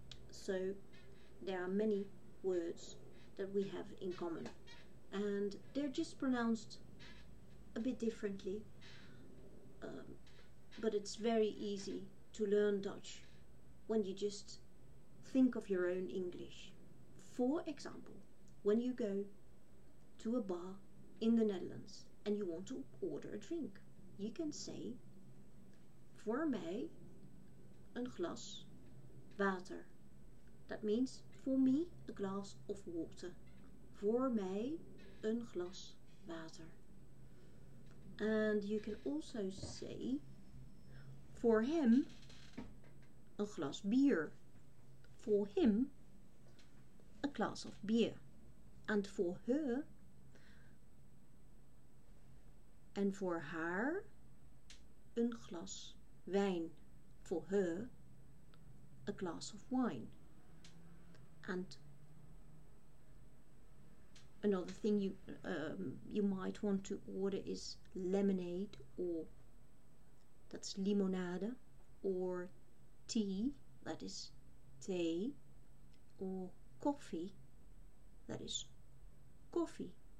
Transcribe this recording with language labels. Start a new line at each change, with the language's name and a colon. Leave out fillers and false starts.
English: So there are many words that we have in common, and they're just pronounced a bit differently. But it's very easy to learn Dutch when you just think of your own English. For example, when you go to a bar in the Netherlands and you want to order a drink, you can say
Dutch: voor mij een glas water.
English: That means for me a glass of water.
Dutch: Voor mij een glas water.
English: And you can also say for him a glass beer. For him a glass of beer. And for her and for
Dutch: haar een glas wijn.
English: For her a glass of wine. And another thing you might want to order is lemonade, or that's limonade, or tea, that is thee, or coffee, that is coffee.